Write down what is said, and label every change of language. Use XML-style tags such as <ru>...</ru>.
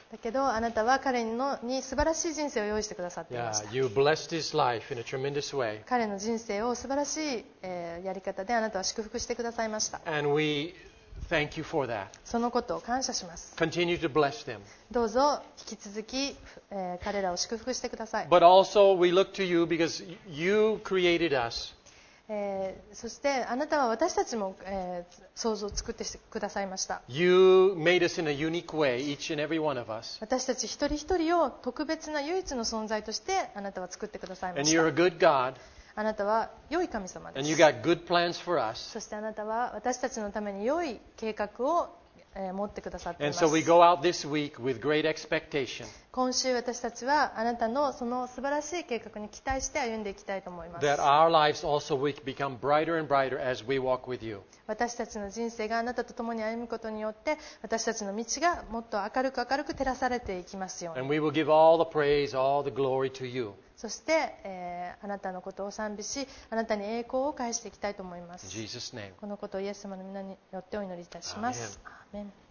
<ja>だけどあなたは彼のに素晴らしい人生を用意してくださっていました。</ja> <en>Yeah, you blessed his life in a tremendous way.</en> <ja>彼の人生を素晴らしい、やり方であなたは祝福してくださいました。</ja> <en>And weThank you for that.</en> <ja>そのことを感謝します。</ja> <en>Continue to bless them.</en> <ja>どうぞ引き続き、彼らを祝福してください。</ja> <en>But also we look to you because you created us.</en> <ja>そしてあなたは私たちも、創造を作ってくださいました。</ja> <en>You made us in a unique way, each and every one of us.</en> <ja>私たち一人一人を特別な唯一の存在としてあなたは作ってくださいました。</ja> <en>And you're a good God.</en> <ja>あなたは良い神様です。</ja> <en>And you got good plans for us.</en> <ja>そしてあなたは私たちのために良い計画を、持ってくださっています。</ja> <en>And so we go out this week with great expectation.</en> <ja>今週私たちはあなたのその素晴らしい計画に期待して歩んでいきたいと思います。</ja> <en>That our lives also will become brighter and brighter as we walk with you.</en> <ja>私たちの人生があなたと共に歩むことによって私たちの道がもっと明るく明るく照らされていきますように。</ja> <en>And we will give all the praise, all the glory to you.</en> <ja>そして、あなたのことを賛美し、あなたに栄光を返していきたいと思います。</ja> <en>Jesus name.</en> <ja>このことをイエス様の皆によってお祈りいたします。アーメン。</ja>